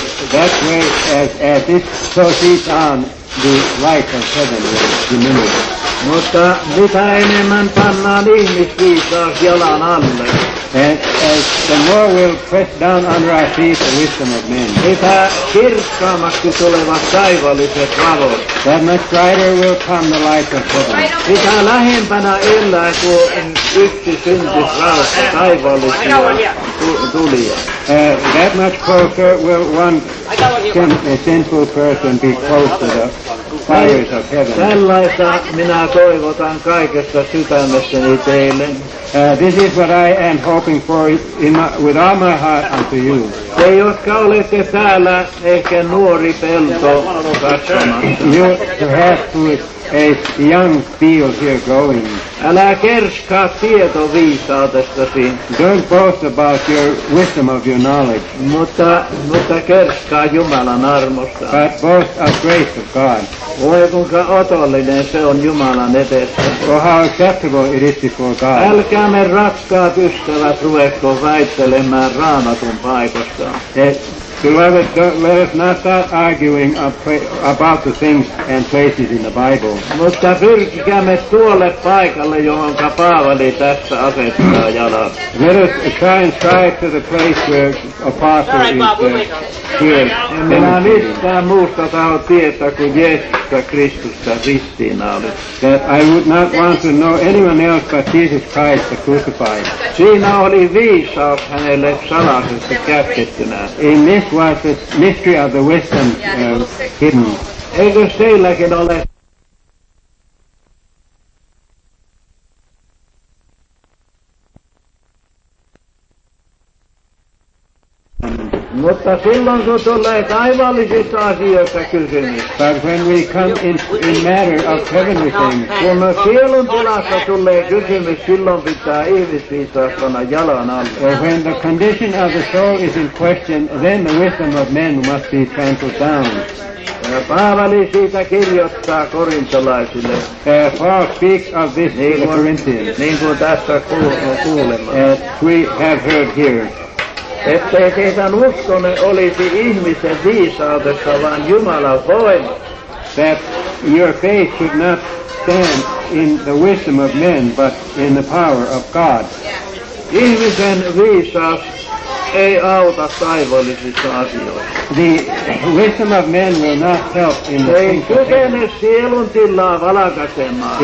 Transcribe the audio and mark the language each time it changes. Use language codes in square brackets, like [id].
[en] That way, as this proceeds on, the light of heaven will diminish. [fi] Mutta mitä enemmän pannaan ihmisviisaus jalan alle, [en] as the more we'll press down under our feet the wisdom of men, [fi] mitä kirkkaammaksi tulevat taivalliset valot, [en] that much brighter will come the light of heaven. [fi] Mitä lähempänä elää kuin yksi syntis valossa taivallisia tulia, [en] that much closer will one sinful person be close to the fires of heaven. [fi] Tällaista minä toivotan kaikesta sydämestäni teille. [en] This is what I am hoping for with all my heart unto you. [fi] Te, jotka olette täällä ehkä nuori pelto katsomassa. [en] You perhaps with a young field here growing. [fi] Älä kerskaa tieto viisaudestasi. [en] Don't boast about your wisdom of your knowledge. [fi] Mutta kerskaa Jumalan armosta. [en] But boast of grace of God. [fi] Voi kuinka otollinen se on Jumalan edessä. [en] Oh, how acceptable it is before God. [fi] Älkäämme rakkaat ystävät ruvetko väittelemään Raamatun paikasta. [en] Beloved, let us not start arguing about the things and places in the Bible. [fi] Mutta pyrkikäämme tuolle paikalle, johonka Paavali tässä asettaa jalan. [en] Let us try and strive to the place where apostle is here. [fi] Minä mistään muusta tahon tietää kuin Jeesusta Kristusta ristiinnaulittu. [en] I would not want to know anyone else but Jesus Christ the crucified. [fi] Siinä oli viisaus hänelle salaisesti käskettynä. [en] Was the mystery of the wisdom hidden. [fi] Eikö teilläkin ole? Mutta silloin kun tulee taivaallisista asioista kysymys. [en] But when we come in matter of heavenly things. [fi] Kun sielun tilasta tulee kysymys, silloin pitää ihmisviisaastana jalan alle. [en] When the condition of the soul is in question, then the wisdom of men must be trampled down. [fi] Paavali siitä kirjoittaa korintolaisille. [en] Paul speaks of this to the Corinthians. [fi] Niin kuin tässä kuulemme. [en] We have heard here. [fi] Ettei teidän uskonne olisi ihmisen viisaudessa, vaan Jumalan voimassa. [en] That your faith should not stand in the wisdom of men, but in the power of God. [fi] Ihmisen viisaus ei auta taivaallisissa asioissa. [en] The wisdom of men will not help in the things of heaven. [fi] Ei kykene sielun tilaa valakasemaan.